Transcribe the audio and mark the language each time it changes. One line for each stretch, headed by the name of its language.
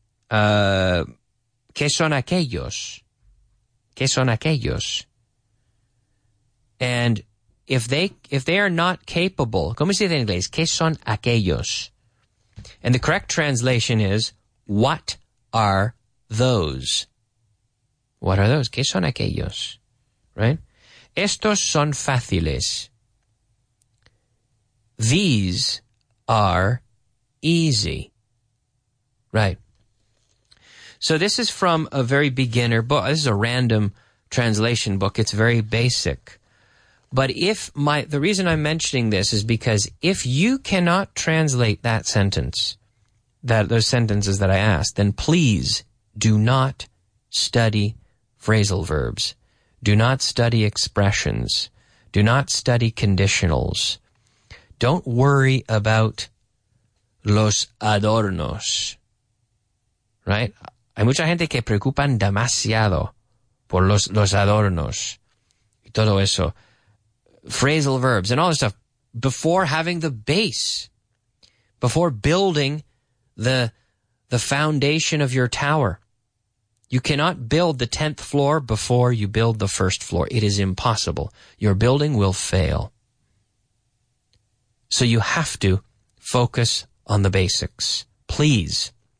Spanish: ¿Qué son aquellos? ¿Qué son aquellos?
English: And if they are not capable,
Spanish: ¿cómo se dice en inglés? ¿Qué son aquellos?
English: And the correct translation is, what are those? What are those?
Spanish: ¿Qué son aquellos?
English: Right?
Spanish: Estos son fáciles.
English: These are easy. Right. So this is from a very beginner book. This is a random translation book. It's very basic. But the reason I'm mentioning this is because if you cannot translate that sentence, those sentences that I asked, then please do not study phrasal verbs. Do not study expressions. Do not study conditionals. Don't worry about
Spanish: los adornos.
English: Right?
Spanish: Hay mucha gente que preocupan demasiado por los adornos y todo eso.
English: Phrasal verbs and all this stuff. Before having the base, before building the foundation of your tower, you cannot build the 10th floor before you build the first floor. It is impossible. Your building will fail. So you have to focus on the basics. Please.